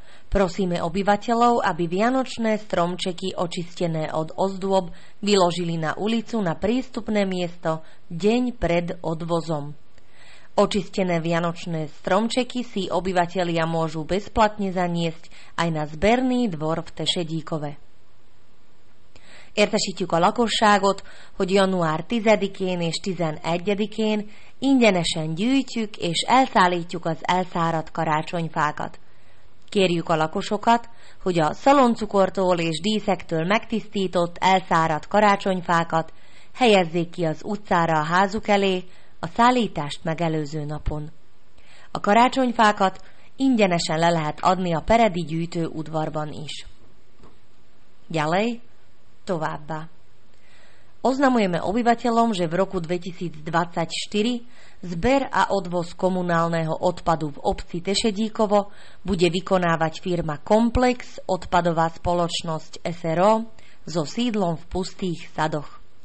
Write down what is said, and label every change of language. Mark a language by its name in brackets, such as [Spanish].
[Slovak] Prosíme obyvateľov, aby vianočné stromčeky očistené od ozdôb vyložili na ulicu na prístupné miesto deň pred odvozom. Očistené vianočné stromčeky si obyvatelia môžu bezplatne zaniesť aj na zberný dvor v Tešedíkove. [Hungarian] Értesítjük a lakosságot, hogy január 10-én és 11-én ingyenesen gyűjtjük és elszállítjuk az elszáradt karácsonyfákat. Kérjük a lakosokat, hogy a szaloncukortól és díszektől megtisztított elszáradt karácsonyfákat helyezzék ki az utcára a házuk elé a szállítást megelőző napon. A karácsonyfákat ingyenesen le lehet adni a peredi gyűjtő udvarban is. [Slovak] Ďalej, [Hungarian] továbbá. [Slovak] Oznamujeme obyvateľom, že v roku 2024 zber a odvoz komunálneho odpadu v obci Tešedíkovo bude vykonávať firma Komplex, odpadová spoločnosť SRO, so sídlom v Pustých Sadoch.